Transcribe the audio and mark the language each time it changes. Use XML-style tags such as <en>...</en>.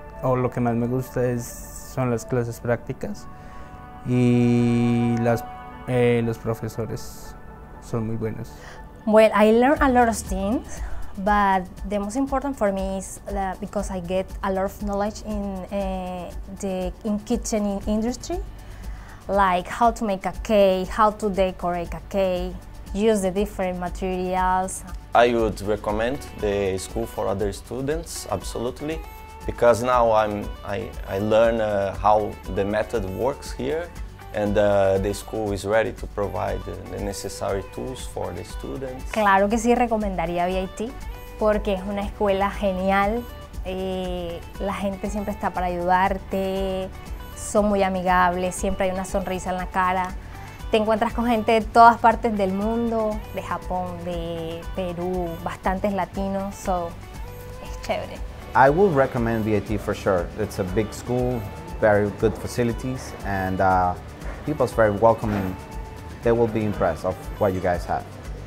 <es>Oh, lo que más me gusta es son las clases prácticas y los profesores son muy buenos.</es> <en>Well, I learn a lot of things. But the most important for me is that because I get a lot of knowledge in kitchen industry, like how to make a cake, how to decorate a cake, use the different materials. I would recommend the school for other students, absolutely, because now I learn how the method works here, and the school is ready to provide the necessary tools for the students.</en> <es>Claro que sí, recomendaría VIT. Porque es una escuela genial, la gente siempre está para ayudarte, son muy amigables, siempre hay una sonrisa en la cara. Te encuentras con gente de todas partes del mundo, de Japón, de Perú, bastantes latinos, so es chévere.</es> <en>I would recommend VIT for sure. It's a big school, very good facilities, and people are very welcoming. They will be impressed of what you guys have.</en>